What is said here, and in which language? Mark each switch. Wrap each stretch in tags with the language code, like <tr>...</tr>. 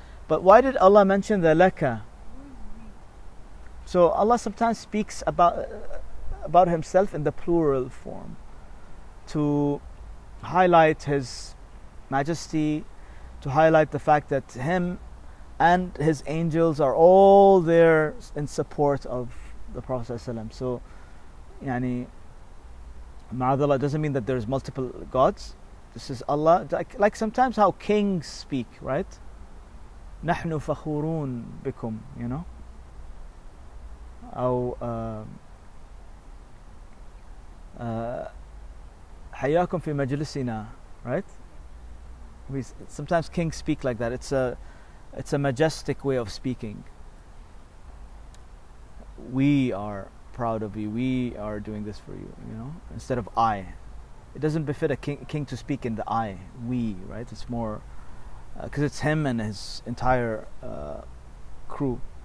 <en>But why did Allah mention the laka? So Allah sometimes speaks about Himself in the plural form to highlight His majesty, to highlight the fact that Him and His angels are all there in support of the Prophet ﷺ. So, yani, ma'adallah doesn't mean that there's multiple gods. This is Allah, like sometimes how kings speak, right?</en> <ar>نَحْنُ فَخُورُونَ بِكُمْ,</ar> <en>you know? Or,</en> <ar>حَيَّاكُمْ فِي مَجْلِسِنَا, right?</ar> <en>Sometimes kings speak like that. It's a majestic way of speaking. We are proud of you. We are doing this for you, you know? Instead of I. It doesn't befit a king to speak in the I, we, right? It's more, because it's him and his entire crew.</en>